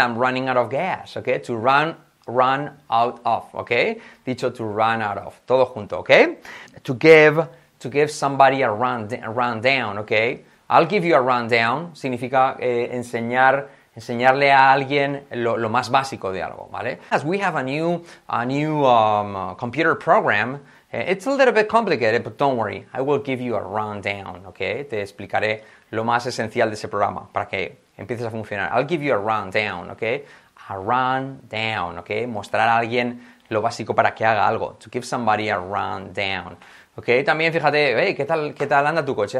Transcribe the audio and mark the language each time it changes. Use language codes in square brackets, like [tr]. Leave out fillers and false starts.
[en] I'm running out of gas, okay? To run out of, okay? Dicho to run out of, [es] todo junto, [en] okay? To give somebody a rundown, okay? I'll give you a rundown. [es] Significa enseñarle a alguien lo más básico de algo, ¿vale? [en] As we have a new computer program, it's a little bit complicated, but don't worry. I will give you a rundown, okay? [es] Te explicaré lo más esencial de ese programa para que empieces a funcionar. [en] I'll give you a rundown, okay? A rundown, okay? [es] Mostrar a alguien lo básico para que haga algo. [en] To give somebody a rundown. [es] Okay, también fíjate, hey, ¿qué tal anda tu coche?